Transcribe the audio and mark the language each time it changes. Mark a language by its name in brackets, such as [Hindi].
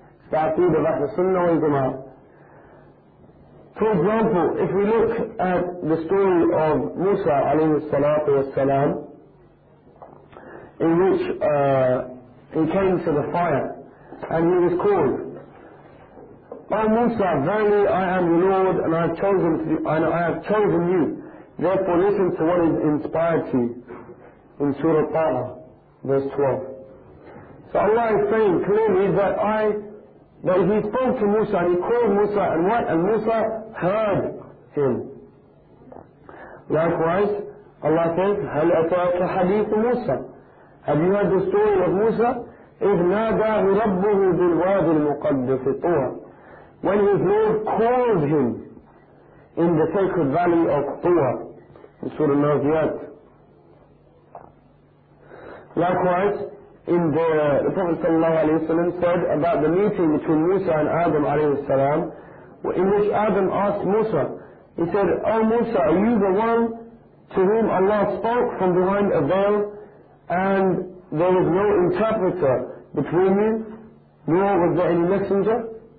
[English] Ta'qeed of Ahl Sunnah wal Jama'ah. For example, if we look at the story of Musa alayhi salatu wasalam, in which he came to the fire and he was called, by Musa, verily I am the Lord and I have chosen you. Therefore listen to what is inspired to you. In Surah Ta'a, verse 12. So Allah is saying clearly that he spoke to Musa and he called Musa, and what? And Musa heard him. Likewise, Allah says, [Arabic] هَلْ أَتَاكَ حَدِيثُ مُوسَى. [English] Have you heard the story of Musa? [Arabic] إِذْ نَادَاهُ رَبُّهُ بِالْوَادِ الْمُقَدَّسِ طُوَى. [English] When his Lord called him in the sacred valley of Tuwa, in Surah Naziyat. Likewise, in the Prophet sallallahu alayhi wa sallam said about the meeting between Musa and Adam alayhi wa sallam, in which Adam asked Musa, he said, O Musa, are you the one to whom Allah spoke from behind a veil, and there was no interpreter between you, nor was there any messenger?